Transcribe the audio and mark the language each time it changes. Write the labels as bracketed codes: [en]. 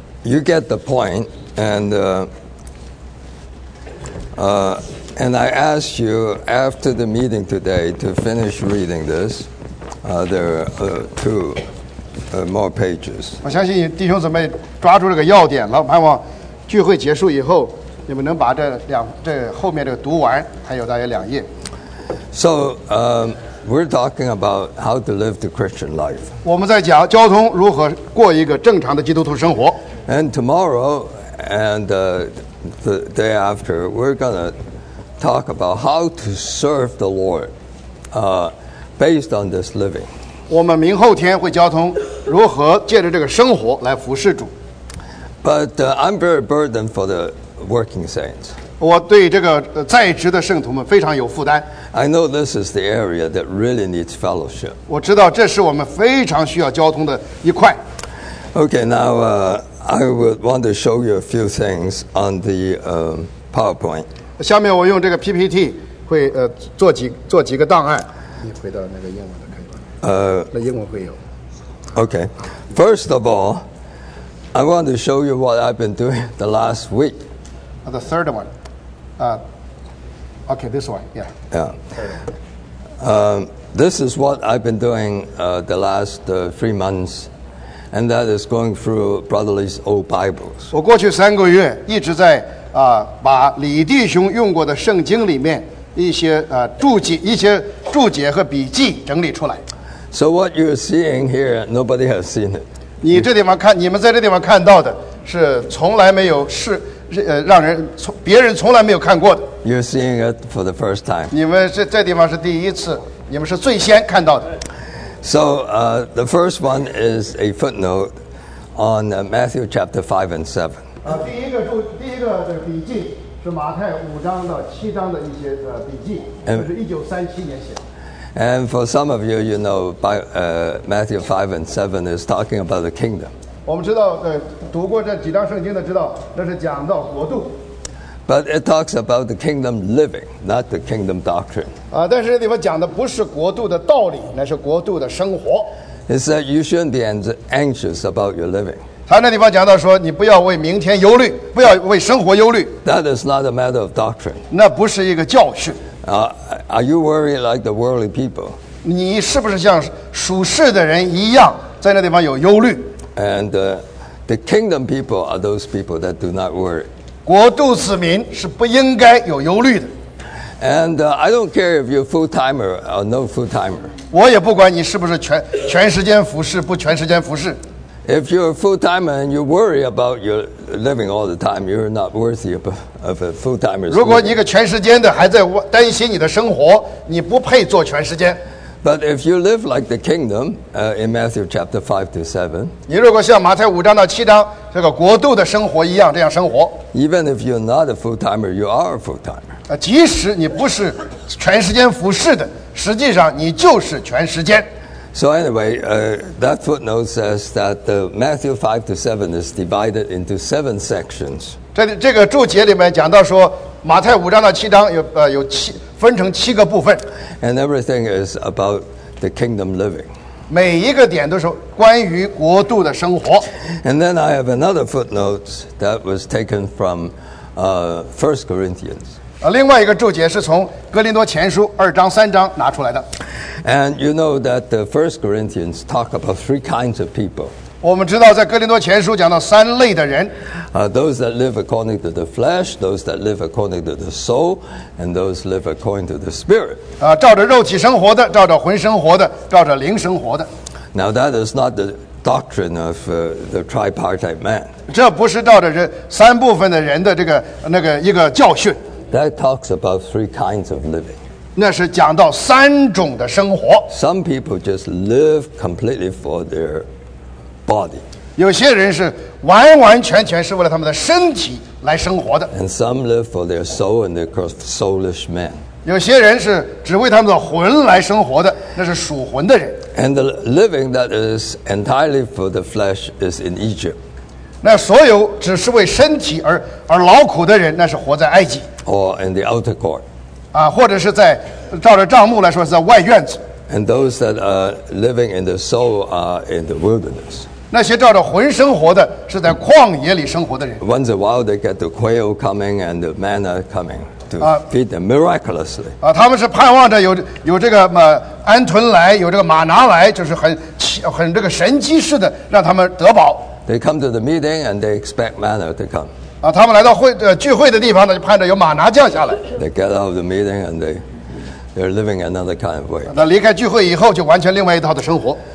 [en] You get the point, and I asked you after the meeting today to finish reading this. There are two more pages. [zh] 我相信弟兄姊妹抓住这个要点了，盼望聚会结束以后，你们能把这后面的读完，还有大约两页。 [en] So we're talking about how to live the Christian life. [zh] 我们在讲交通如何过一个正常的基督徒生活。 [en] And tomorrow and the day after, we're going to talk about how to serve the Lord, based on this living. [zh] 我们明后天会交通如何借着这个生活来服侍主。 [en] But I'm very burdened for the working saints. [zh] 我对这个在职的圣徒们非常有负担。 [en] I know this is the area that really needs fellowship. [zh] 我知道这是我们非常需要交通的一块。 [en] Okay, now I would want to show you a few things on the PowerPoint. [zh] 下面我用这个 PPT 会做几个档案。你回到那个英文的可以吗？那英文会有。 [en] Okay, first of all, I want to show you what I've been doing the last week. The third one. Okay, this one. Yeah. Yeah. This is what I've been doing the last 3 months. And that is going through brotherly's old Bibles. [zh] 我过去三个月一直在把李弟兄用过的圣经里面一些注解和笔记整理出来。 [en] So what you're seeing here, nobody has seen it. [zh] 你这地方看，你们在这地方看到的是从来没有是让人从别人从来没有看过的。 [en] You're seeing it for the first time. [zh] 你们这地方是第一次，你们是最先看到的。 [en] So the first one is a footnote on Matthew chapter 5 and 7. [zh] 第一个的笔记是马太五章到七章的一些笔记，是1937年写的。 [en] And for some of you, you know, Matthew 5 and 7 is talking about the kingdom. [zh] 我们知道，读过这几章圣经的知道，那是讲到国度。 [en] But it talks about the kingdom living, not the kingdom doctrine. [zh] 但是这地方讲的不是国度的道理，那是国度的生活。 [en] It's that you shouldn't be anxious about your living. [zh] 他那地方讲到说，你不要为明天忧虑，不要为生活忧虑。 [en] That is not a matter of doctrine. [zh] 那不是一个教训。 [en] Are you worried like the worldly people? [zh] 你是不是像属世的人一样，在那地方有忧虑 [en] ？And the kingdom people are those people that do not worry. [zh] 国度子民是不应该有忧虑的。 [en] And I don't care if you're full-timer or no full-timer. [zh] 我也不管你是不是全时间服侍，不全时间服侍。 [en] If you're a full-timer and you worry about your living all the time, you're not worthy of a full-timer. [zh] 如果你一个全时间的还在担心你的生活，你不配做全时间。 [en] But if you live like the kingdom, in Matthew chapter 5 to 7, [zh] 你如果像马太五章到七章这个国度的生活一样这样生活 [en] ，even if you're not a full-timer, you are a full-timer. [zh] 即使你不是全时间服侍的，实际上你就是全时间。 [en] So anyway, that footnote says that Matthew 5 to 7 is divided into 7 sections. [zh] 这个注解里面讲到说，马太五章到七章有七。分成七个部分 [en] ，and everything is about the kingdom living. [zh] 每一个点都是关于国度的生活。 [en] And then I have another footnote that was taken from First Corinthians. [zh] 另外一个注解是从哥林多前书二章三章拿出来的。 [en] And you know that the First Corinthians talk about 3 kinds of people. [zh] 我们知道在哥林多前书讲到三类的人。 [en] Those that live according to the flesh, those that live according to the soul, and those live according to the spirit. [zh] 照着肉体生活的，照着魂生活的，照着灵生活的。 [en] Now that is not the doctrine of the tripartite man. [zh] 这不是照着三部分的人的这个那个一个教训。 [en] That talks about 3 kinds of living. [zh] 那是讲到三种的生活。 [en] Some people just live completely for their body. [zh] 有些人是完完全全是为了他们的身体来生活的。 [en] And some live for their soul and they're called soulish men. [zh] 有些人是只为他们的魂来生活的，那是属魂的人。 [en] And the living that is entirely for the flesh is in Egypt. [zh] 那所有只是为身体而劳苦的人，那是活在埃及。 [en] Or in the outer court. [zh] 或者是在照着帐幕来说是在外院子。 [en] And those that are living in the soul are in the wilderness. [zh] 那些照着魂生活的是在旷野里生活的人。 [en] Once in a while, they get the quail coming and the manna coming to feed them miraculously. [zh] 他们是盼望着有这个鹌鹑来，有这个玛拿来，就是很这个神迹似的让他们得饱。 [en] They come to the meeting and they expect manna to come. [zh] 他们来到聚会的地方呢，就盼着有玛拿降下来。 [en] They get out of the meeting and they're living another kind of way. [zh] 那离开聚会以后，就完全另外一套的生活。